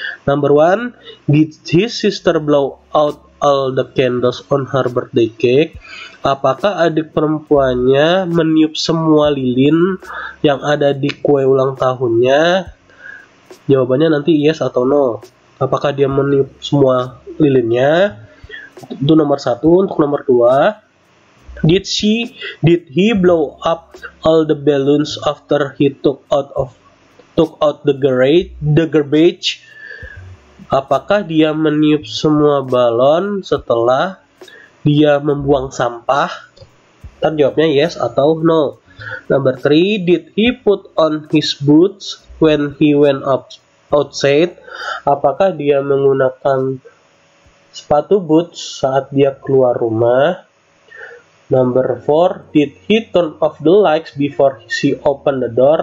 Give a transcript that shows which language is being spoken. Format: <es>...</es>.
<en>Number one, did his sister blow out all the candles on her birthday cake?</en> <id>Apakah adik perempuannya meniup semua lilin yang ada di kue ulang tahunnya? Jawabannya nanti yes atau no. Apakah dia meniup semua lilinnya? Itu nomor satu. Untuk nomor dua,</id> <en>did he blow up all the balloons after he took out the garbage?</en> <id>Apakah dia meniup semua balon setelah dia membuang sampah? Tadi jawabnya yes atau no.</id> <en>Number three, did he put on his boots when he went outside?</en> <id>Apakah dia menggunakan sepatu boots saat dia keluar rumah?</id> <en>Number four, did he turn off the lights before she opened the door?</en>